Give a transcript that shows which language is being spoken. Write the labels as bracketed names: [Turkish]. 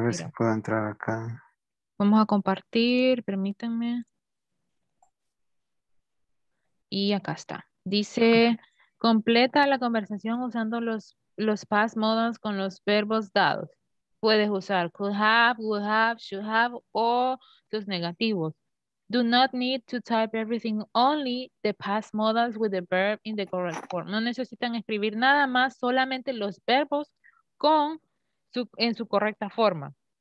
[Spanish] Quiero ver si puedo entrar acá. Vamos a compartir, permítanme. Y acá está. Dice, completa la conversación usando los past modals con los verbos dados. Puedes usar could have, would have, should have, o los negativos. [English] Do not need to type everything, only the past modals with the verb in the correct form. [Spanish] No necesitan escribir nada más, solamente los verbos con su, en su correcta forma.